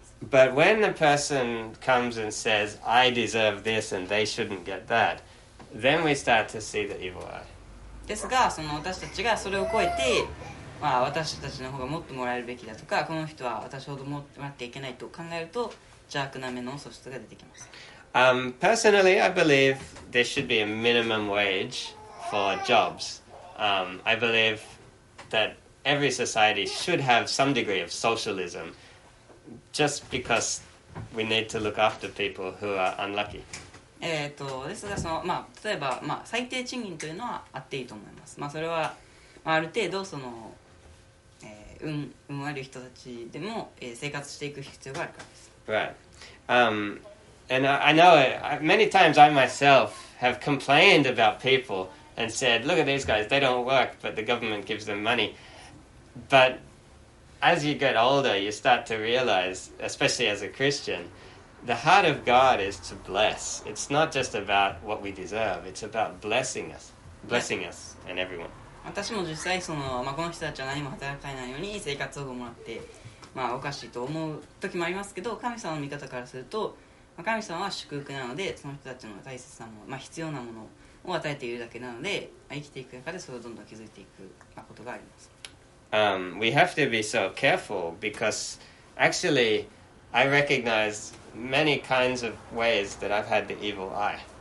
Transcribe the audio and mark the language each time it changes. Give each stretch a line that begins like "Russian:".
English: But when the person comes and says, I deserve this and they shouldn't get that, then we start to see the evil eye.
Japanese: ですが、その私たちがそれを超えて、まあ、私たちの方がもっともらえるべきだとか、この人は私ほどもらっていけないと考えると、邪悪な目の素質が出てきます。
English: Personally, I believe there should be a minimum wage for jobs. I believe that every society should have some degree of socialism, just because we need to look after people who are unlucky.
Japanese: ですがその、まあ、例えば、まあ、最低賃金というのはあっていいと思います。まあ、それは、まあ、ある程度その、運悪い人たちでも、生活していく必要があるからです。
English: Right. And I know many times I myself have complained about people and said, look at these guys, they don't work, but the government gives them money. But as you get older, you start to realize, especially as a Christian, the heart of God is to bless. It's not just about what we deserve. It's about blessing us and everyone.
Japanese: 私も実際その、まあ、この人たちは何も働かないように生活保護もらって、まあ、おかしいと思う時もありますけど、神様の見方からすると、神様は祝福なので、その人たちの大切なもの、まあ、必要なものを与えているだけなので、生きていく中でそれをどんどん気づいていくことがあります。
English: We have to be so careful because actually I recognize many kinds of ways that I've had the evil eye.